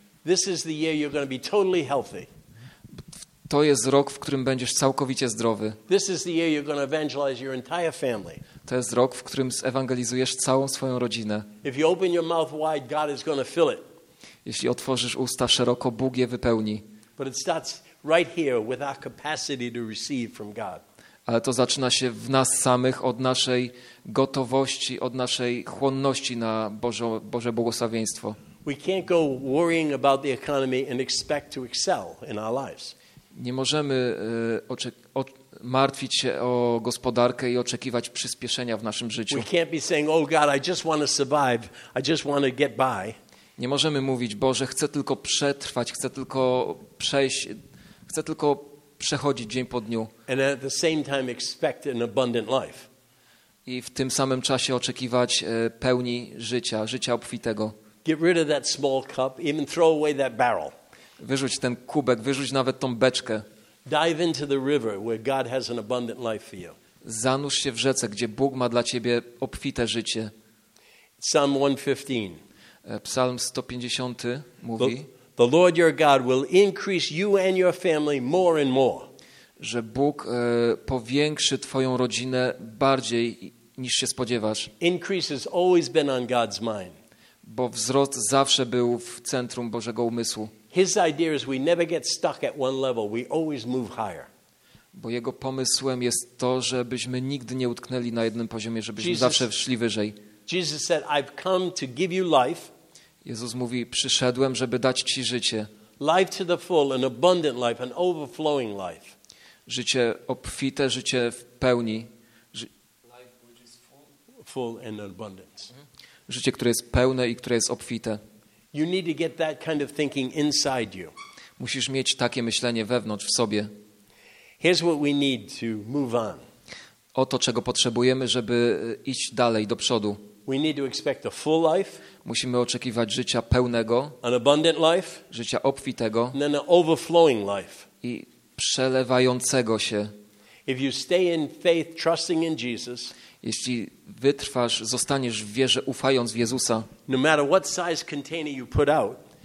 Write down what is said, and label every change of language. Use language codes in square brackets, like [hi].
[en] This is the year you're going to be totally healthy. [pl] To jest rok, w którym będziesz całkowicie zdrowy. [en] This is the year you're going to evangelize your entire family. [pl] To jest rok, w którym zewangelizujesz całą swoją rodzinę. [en] If you open your mouth wide, God is going to fill it. [pl] Jeśli otworzysz usta szeroko, Bóg je wypełni. [en] But it starts right here with our capacity to receive from God. [pl] Ale to zaczyna się w nas samych, od naszej gotowości, od naszej chłonności na Boże błogosławieństwo. [en] We can't go worrying about the economy and expect to excel in our lives. [pl] Nie możemy martwić się o gospodarkę i oczekiwać przyspieszenia w naszym życiu. [en] We can't be saying, oh God, I just want to survive, I just want to get by. [pl] Nie możemy mówić, Boże, chcę tylko przetrwać, chcę tylko przejść, chcę tylko przechodzić dzień po dniu. [en] And at the same time expect an abundant life. [pl] I w tym samym czasie oczekiwać pełni życia, życia obfitego. [en] Get rid of that small cup, even throw away that barrel. [pl] Wyrzuć ten kubek, wyrzuć nawet tą beczkę. [en] Dive into the river where God has an abundant life for you. [pl] Zanurz się w rzece, gdzie Bóg ma dla ciebie obfite życie. [en] Psalm 115. [pl] Psalm 150 mówi: [en] The Lord your God will increase you and your family more and more. [pl] Że Bóg powiększy twoją rodzinę bardziej niż się spodziewasz. [en] Increase has always been on God's mind. [pl] Bo wzrost zawsze był w centrum Bożego umysłu. [en] His idea is we never get stuck at one level, we always move higher. [pl] Bo jego pomysłem jest to, żebyśmy nigdy nie utknęli na jednym poziomie, żebyśmy zawsze szli wyżej. [en] Jesus said, I've come to give you life. [pl] Jezus mówi, przyszedłem, żeby dać ci życie. [en] Life to the full, an abundant life, an overflowing life. [pl] Życie obfite, życie w pełni. [en] Life which is full and abundant. [pl] Życie, które jest pełne i które jest obfite. [en] You need to get that kind of thinking inside you. [pl] Musisz mieć takie myślenie wewnątrz, w sobie. [en] Here's what we need to move on. [pl] Oto czego potrzebujemy, żeby iść dalej do przodu. [en] We need to expect a full life. [pl] Musimy oczekiwać życia pełnego. [en] An abundant life. [pl] Życia obfitego. [en] And then an overflowing life. [pl] I przelewającego się. [en] If you stay in faith, trusting in Jesus. [pl] Jeśli wytrwasz, zostaniesz w wierze, ufając w Jezusa. [en] No matter what size container you put out.